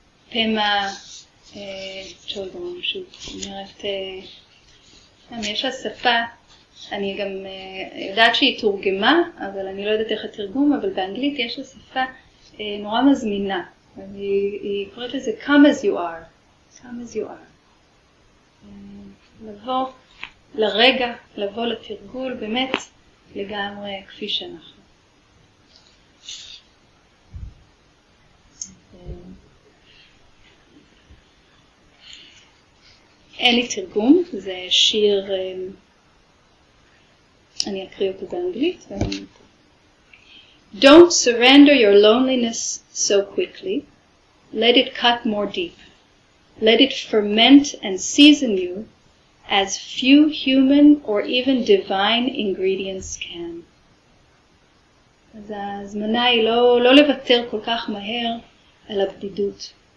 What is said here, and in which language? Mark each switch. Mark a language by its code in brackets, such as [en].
[he] פמה צ'ודרון, שהיא אומרת, יש לה שפה, אני גם יודעת שהיא תורגמה, אבל אני לא יודעת איך התרגום, אבל באנגלית יש לה שפה נורא מזמינה. היא קוראת לזה [en] come as you are, come as you are. [he] לבוא לרגע, לבוא לתרגול, באמת לגמרי כפי שאנחנו. אין לי תרגום, זה שיר, אני אקריא אותו באנגלית. [en] Don't surrender your loneliness so quickly. Let it cut more deep. Let it ferment and season you as few human or even divine ingredients can. [he] אז ההזמנה היא לא לוותר כל כך מהר על הבדידות.